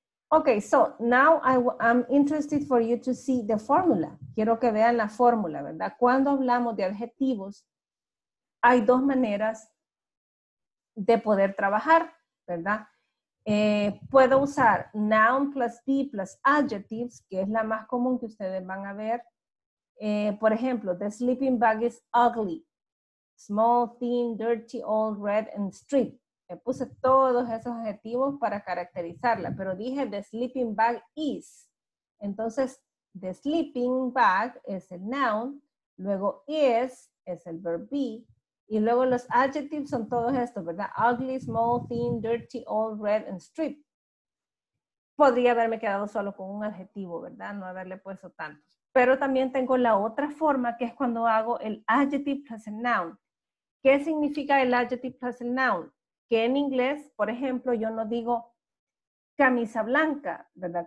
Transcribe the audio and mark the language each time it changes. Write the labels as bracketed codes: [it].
[en] Okay, so now I'm interested for you to see the formula. [es] Quiero que vean la fórmula, ¿verdad? Cuando hablamos de adjetivos, hay dos maneras de poder trabajar, ¿verdad? Puedo usar noun plus D plus adjectives, que es la más común que ustedes van a ver. Por ejemplo, [en] the sleeping bag is ugly. Small, thin, dirty, old, red, and street. [es] Me puse todos esos adjetivos para caracterizarla, pero dije [en] the sleeping bag is. [es] Entonces, the sleeping bag es el noun, luego is es el verb be, y luego los adjectives son todos estos, ¿verdad? [en] Ugly, small, thin, dirty, old, red, and street. [es] Podría haberme quedado solo con un adjetivo, ¿verdad? No haberle puesto tantos. Pero también tengo la otra forma, que es cuando hago el adjective plus el noun. ¿Qué significa el adjective plus el noun? Que en inglés, por ejemplo, yo no digo camisa blanca, ¿verdad?